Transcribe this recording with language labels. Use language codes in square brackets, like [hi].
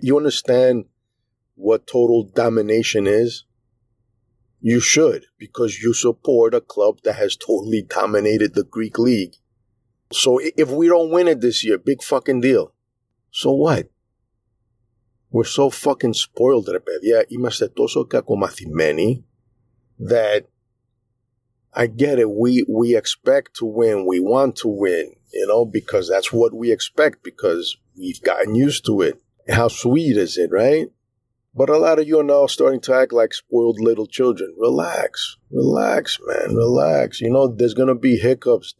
[en] You understand what total domination is? You should, because you support a club that has totally dominated the Greek league. So if we don't win it this year, big fucking deal. So what? We're so fucking spoiled, [el] ρε παιδιά. Είμαστε τόσο κακομαθημένοι [en] that I get it. We expect to win. We want to win, you know, because that's what we expect because we've gotten used to it. How sweet is it, right? But a lot of you are now starting to act like spoiled little children. Relax. Relax, man. Relax. You know, there's going to be hiccups.